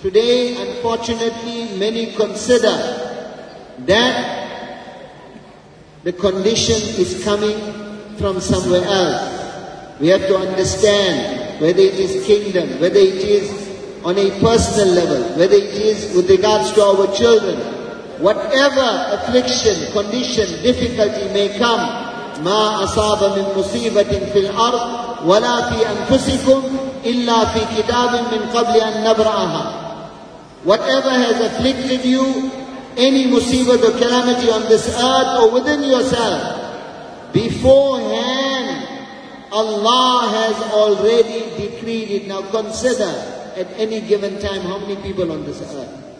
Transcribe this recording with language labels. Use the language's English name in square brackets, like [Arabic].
[English] Today, unfortunately, many consider that the condition is coming from somewhere else. We have to understand whether it is kingdom, whether it is on a personal level, whether it is with regards to our children. Whatever affliction, condition, difficulty may come, [Arabic] مَا أَصَابَ مِنْ مُصِيبَةٍ فِي الْأَرْضِ وَلَا فِي أَنفُسِكُمْ إِلَّا فِي كِتَابٍ مِنْ قَبْلِ أَن نَبْرَأَهَا. [English] Whatever has afflicted you, any musibah or calamity on this earth or within yourself, beforehand, Allah has already decreed it. Now consider, at any given time, how many people on this earth?